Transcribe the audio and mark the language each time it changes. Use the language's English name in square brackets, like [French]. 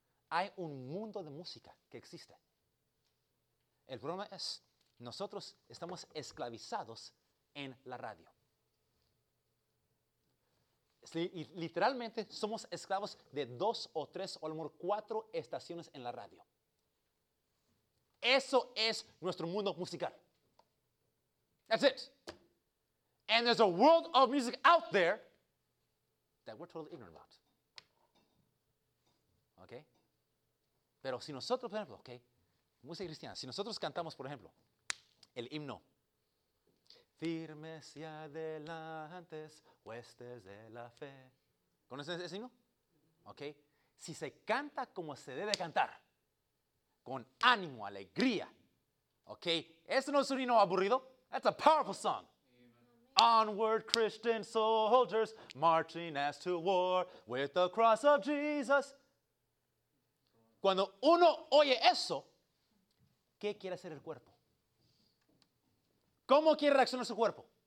[Spanish] Hay un mundo de música que existe. El problema es, nosotros estamos esclavizados en la radio. Literalmente somos esclavos de 2 o 3 o a lo mejor 4 estaciones en la radio. Eso es nuestro mundo musical. [English] That's it. And there's a world of music out there that we're totally ignorant about. Okay? [Spanish] Pero si nosotros, por ejemplo, okay, música cristiana, si nosotros cantamos, por ejemplo, el himno, firmes y adelantes, huestes de la fe. ¿Conoces ese himno? Okay. Si se canta como se debe cantar, con ánimo, alegría, okay, ese no es un himno aburrido, [English] that's a powerful song. Onward, Christian soldiers, marching as to war with the cross of Jesus. [Spanish] Cuando uno oye eso, ¿qué quiere hacer el cuerpo? ¿Cómo quiere reaccionar su cuerpo?